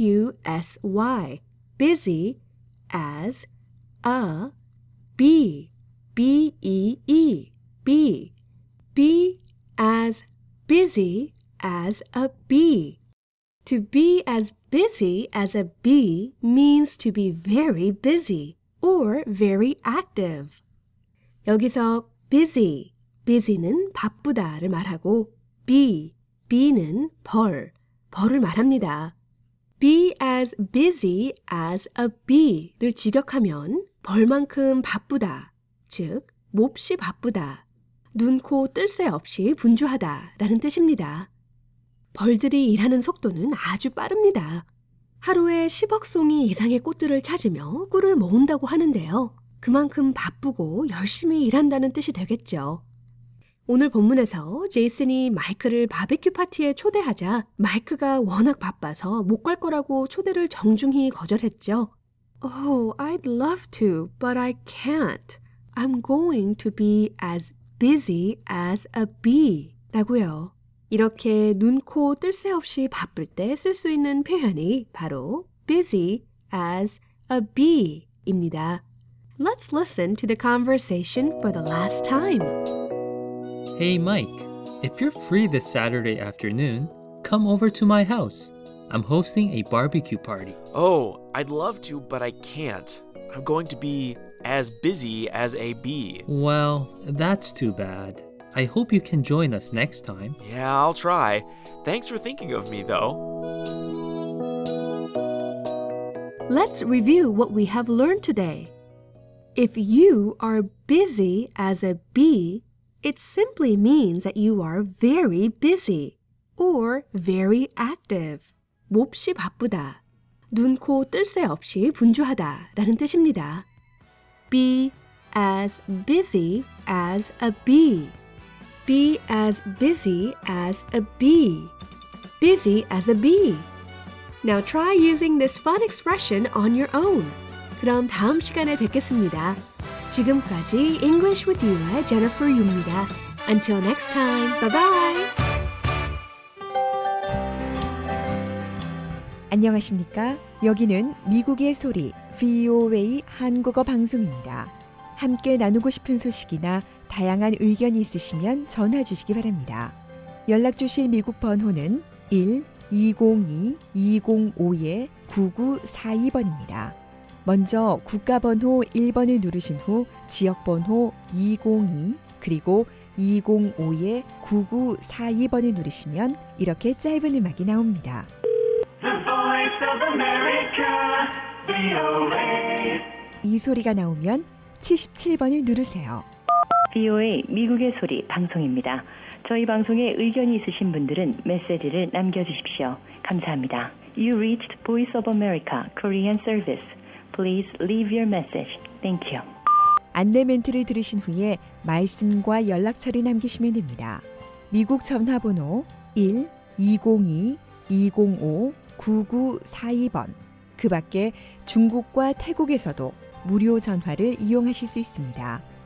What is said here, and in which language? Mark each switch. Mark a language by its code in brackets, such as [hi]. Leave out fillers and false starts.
[en] B-U-S-Y, busy as a bee, B-E-E, bee. Be as busy as a bee. To be as busy as a bee means to be very busy or very active. [ko] 여기서 busy, busy는 바쁘다를 말하고 be, be는 벌, 벌을 말합니다. [en] Be as busy as a bee를 [ko] 직역하면 벌만큼 바쁘다, 즉, 몹시 바쁘다, 눈, 코, 뜰 새 없이 분주하다 라는 뜻입니다. 벌들이 일하는 속도는 아주 빠릅니다. 하루에 10억 송이 이상의 꽃들을 찾으며 꿀을 모은다고 하는데요. 그만큼 바쁘고 열심히 일한다는 뜻이 되겠죠. 오늘 본문에서 제이슨이 마이크를 바비큐 파티에 초대하자 마이크가 워낙 바빠서 못 갈 거라고 초대를 정중히 거절했죠. [en] Oh, I'd love to, but I can't. I'm going to be as busy as a bee. [ko] 라고요. 이렇게 눈, 코, 뜰 새 없이 바쁠 때 쓸 수 있는 표현이 바로 [en] busy as a bee [ko] 입니다. [en] Let's listen to the conversation for the last time. Hey, Mike, if you're free this Saturday afternoon, come over to my house. I'm hosting a barbecue party. Oh, I'd love to, but I can't. I'm going to be as busy as a bee. Well, that's too bad. I hope you can join us next time. Yeah, I'll try. Thanks for thinking of me, though. Let's review what we have learned today. If you are busy as a bee, it simply means that you are very busy or very active. [ko] 몹시 바쁘다, 눈, 코, 뜰 새 없이 분주하다 라는 뜻입니다. [en] Be as busy as a bee. Be as busy as a bee. Busy as a bee. Now try using this fun expression on your own. [ko] 그럼 다음 시간에 뵙겠습니다. 지금까지 English with You의 Jennifer Yu입니다. [en] Until next time, bye-bye! [ko] 안녕하십니까? 여기는 미국의 소리, VOA 한국어 방송입니다. 함께 나누고 싶은 소식이나 다양한 의견이 있으시면 전화 주시기 바랍니다. 연락 주실 미국 번호는 1-202-205-9942번입니다. 먼저 국가번호 1번을 누르신 후 지역번호 202 그리고 2052-9942번을 누르시면 이렇게 짧은 음악이 나옵니다. [en] The Voice of America, VOA. [ko] 이 소리가 나오면 77번을 누르세요. VOA 미국의 소리 방송입니다. 저희 방송에 의견이 있으신 분들은 메시지를 남겨주십시오. 감사합니다. [en] You reached Voice of America Korean Service. Please leave your message. Thank you. [ko] 안내 멘트를 들으신 후에 말씀과 연락처를 남기시면 됩니다. 미국 전화번호 1-202-205-9942번. 그 밖에 중국과 태국에서도 무료 전화를 이용하실 수 있습니다.